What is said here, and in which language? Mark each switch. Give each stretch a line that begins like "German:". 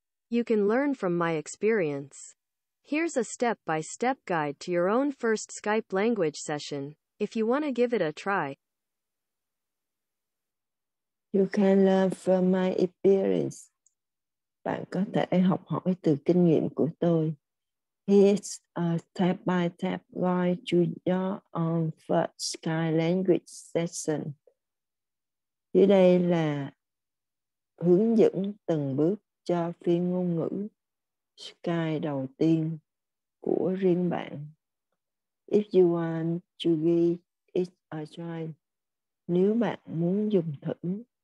English: You can learn from my experience. Here's a step-by-step guide to your own first Skype language session, if you want to give it a try. You can learn from my experience.
Vietnamese: Bạn có thể học hỏi từ kinh nghiệm của tôi,
English: It's a step by step guide to your own first sky language session.
Vietnamese: Dưới đây là hướng dẫn từng bước cho phiên ngôn ngữ Sky đầu tiên của riêng bạn.
English: If you want to give it a try,
Vietnamese: nếu bạn muốn dùng thử.